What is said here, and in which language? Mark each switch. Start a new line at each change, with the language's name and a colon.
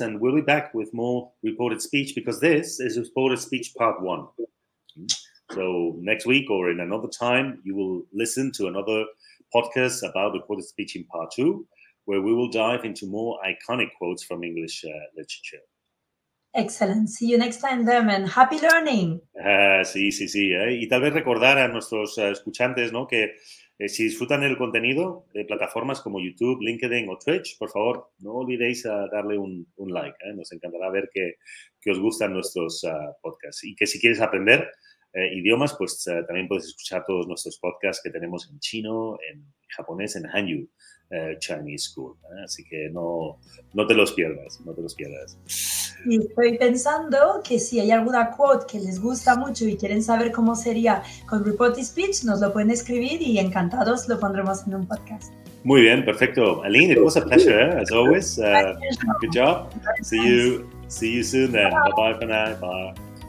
English: And we'll be back with more reported speech, because this is reported speech part one. So next week or in another time, you will listen to another podcast about reported speech in part two, where we will dive into more iconic quotes from English literature. Excellent. See you next time, Dermen. Happy learning.
Spanish: Sí. Y tal vez recordar a nuestros escuchantes, ¿no?, que si disfrutan el contenido de plataformas como YouTube, LinkedIn o Twitch, por favor, no olvidéis darle un like. Nos encantará ver que os gustan nuestros podcasts. Y que si quieres aprender idiomas, pues también puedes escuchar todos nuestros podcasts que tenemos en chino, en japonés, en Hanyu Chinese School. Así que no te los pierdas. Y estoy pensando que si hay alguna quote que les gusta mucho y quieren saber cómo sería con reported speech, nos lo pueden escribir y encantados lo pondremos en un podcast. Muy bien, perfecto.
English: Aline, it was a pleasure, as always. Good job. See you soon then. Bye-bye for now. Bye.